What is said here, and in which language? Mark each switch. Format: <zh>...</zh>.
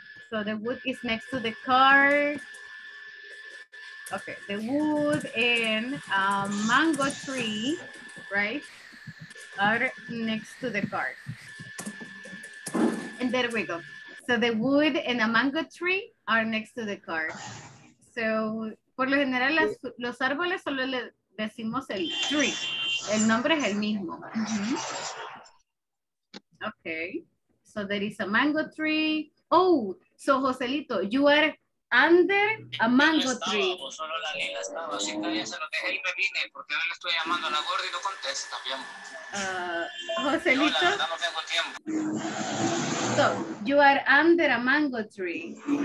<en>So the wood is next to the car. Okay, the wood and a mango tree, right? Are next to the car. And there we go. So the wood and a mango tree are next to the car.</en> <es>So, por lo general, los árboles solo le decimos el tree. El nombre es el mismo. Mm-hmm. Okay.</es> <en>So there is a mango tree. Oh, so Joselito, you are under a mango tree.</en> <es>Solo la lila estaba. Así que ya se lo dejé y me vine. Porque yo le estoy llamando a la gorda y no contesta. Bien. Joselito. No, la verdad, no tengo tiempo.</es> <en>So, you are under a mango tree.</en>